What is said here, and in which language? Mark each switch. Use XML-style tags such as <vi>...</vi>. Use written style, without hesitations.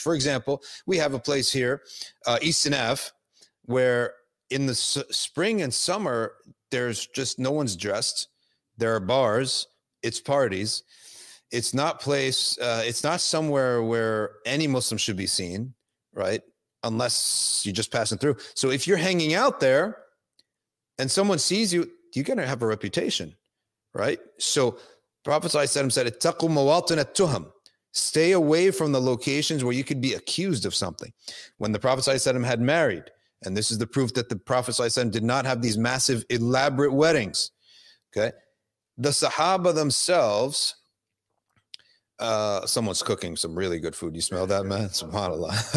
<en>For example, we have a place here, East Sanaf, where in the spring and summer there's just no one's dressed. There are bars. It's parties. It's not place. It's not somewhere where any Muslim should be seen, right? Unless you're just passing through. So if you're hanging out there and someone sees you, you're going to have a reputation, right? So Prophet ﷺ said,</en> <ar>اتَّقُوا مَوَاطِنَ التُّهَمْ.</ar> <en>Stay away from the locations where you could be accused of something. When the Prophet ﷺ had married, and this is the proof that the Prophet ﷺ did not have these massive, elaborate weddings, okay? The Sahaba themselves... someone's cooking some really good food. You smell that, man? SubhanAllah.</en>